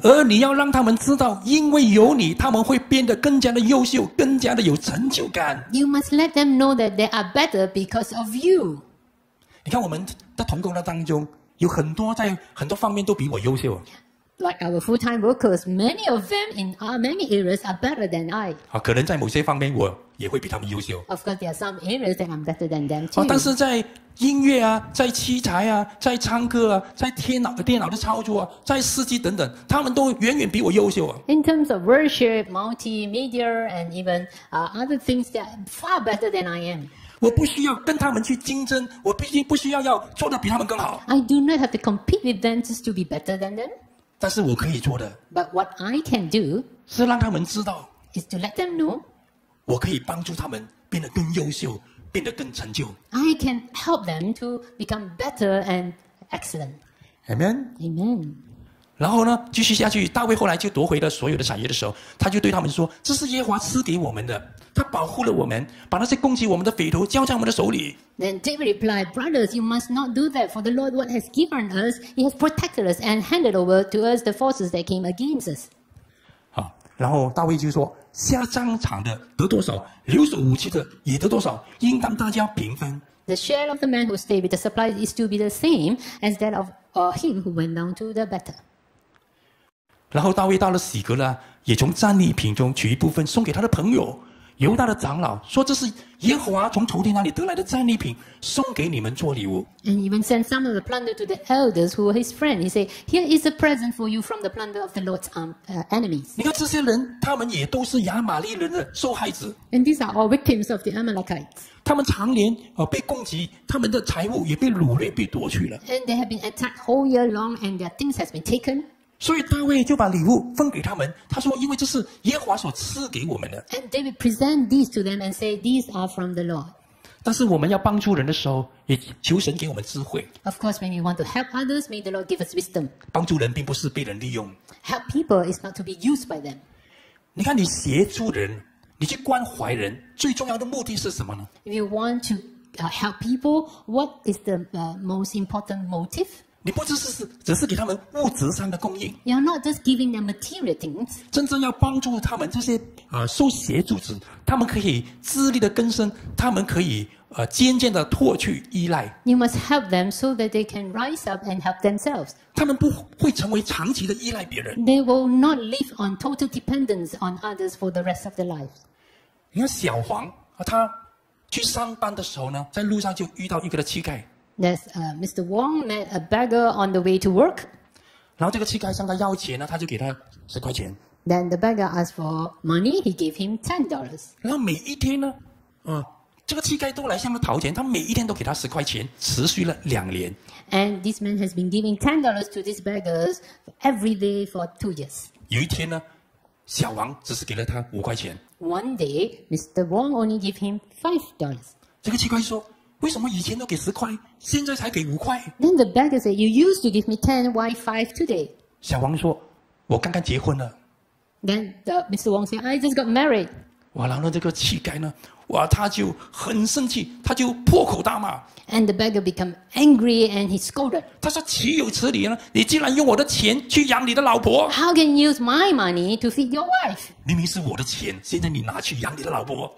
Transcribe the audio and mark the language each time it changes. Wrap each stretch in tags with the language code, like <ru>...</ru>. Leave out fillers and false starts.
<zh>而你要让他们知道，因为有你，他们会变得更加的优秀，更加的有成就感。</zh> <en>You must let them know that they are better because of you.</en> <zh>你看我们的同工的当中，有很多在很多方面都比我优秀。</zh> <en>Like our full-time workers, many of them in many areas are better than I.</en> <zh>好，可能在某些方面我也会比他们优秀。</zh> <en>Of course, there are some areas that I'm better than them too.</en> <zh>但是在音乐啊，在器材啊，在唱歌啊，在电脑的操作啊，在司机等等，他们都远远比我优秀啊。</zh> <en>In terms of worship, multimedia, and even other things, they are far better than I am.</en> <zh>我不需要跟他们去竞争，我毕竟不需要要做得比他们更好。</zh> <en>I do not have to compete with them just to be better than them.</en> <zh>但是我可以做的</zh> <en>But what I can do</en> <zh>是让他们知道</zh> <en>is to let them know</en> <zh>我可以帮助他们变得更优秀变得更成就</zh> <en>I can help them to become better and excellent Amen Amen</en> <zh>然后呢继续下去大卫后来就夺回了所有的产业的时候他就对他们说这是耶和华赐给我们的他保护了我们把那些攻击我们的匪徒交在我们的手里</zh> <en>Then David replied, Brothers, you must not do that, for the Lord what has given us, he has protected us and handed over to us the forces that came against us.</en> <zh>好然后大卫就说下战场的得多少留守武器的也得多少应当大家平分。</zh> <en>The share of the man who stayed with the supply is to be the same as that of him who went down to the battle.</en> <zh>然后大卫到了洗格呢也从战利品中取一部分送给他的朋友。犹大的长老说这是耶和华从仇敌那里得来的战利品送给你们做礼物</zh> <en>And even sent some of the plunder to the elders who were his friends He said, here is a present for you from the plunder of the Lord's enemies</en> <zh>你看这些人他们也都是亚玛利人的受害者</zh> <en>And these are all victims of the Amalekites</en> <zh>他们常年被攻击他们的财物也被掳掠被夺去了</zh> <en>And they have been attacked whole year long and their things have been taken</en> <zh>所以大卫就把礼物分给他们他说因为这是耶和华所赐给我们的</zh> <en>And David present these to them and say these are from the Lord</en> <zh>但是我们要帮助人的时候也求神给我们智慧</zh> <en>Of course when you want to help others may the Lord give us wisdom</en> <zh>帮助人并不是被人利用</zh> <en>Help people is not to be used by them</en> <zh>你看你协助人你去关怀人最重要的目的是什么呢</zh> <en>If you want to help people what is the most important motive?</en> <zh>你不只是给他们物质上的供应</zh> <en>You're not just giving them material things</en> <zh>真正要帮助他们这些受协助者他们可以自立的更生他们可以渐渐的脱去依赖</zh> <en>You must help them so that they can rise up and help themselves</en> <zh>他们不会成为长期的依赖别人</zh> <en>They will not live on total dependence on others for the rest of their lives</en> <zh>你看小黄他去上班的时候呢在路上就遇到一个的乞丐</zh> <en>That's Mr. Wong met a beggar on the way to work.</en> <zh>然后这个乞丐向他要钱呢，他就给他十块钱。</zh> <en>Then the beggar asked for money. He gave him $10.</en> <zh>然后每一天呢，这个乞丐都来向他讨钱，他每一天都给他十块钱，持续了两年。</zh> <en>And this man has been giving $10 to this beggar every day for 2 years.</en> <zh>有一天呢，小王只是给了他5块钱。</zh> <en>One day, Mr. Wong only gave him $5.</en> <zh>这个乞丐说。为什么以前都给十块，现在才给五块</zh> <en>？Then the beggar said, "You used to give me ten, why five today?"</en> <zh>小王说：“我刚刚结婚了。</zh> <en>”Then the Mr. Wong said, "I just got married."</en> <zh>哇，然后这个乞丐呢，哇，他就很生气，他就破口大骂。</zh> <en>And the beggar became angry and he scolded.</en> <zh>他说：“岂有此理呢？你竟然用我的钱去养你的老婆</zh> <en>？How can you use my money to feed your wife?</en> <zh>明明是我的钱，现在你拿去养你的老婆。</zh>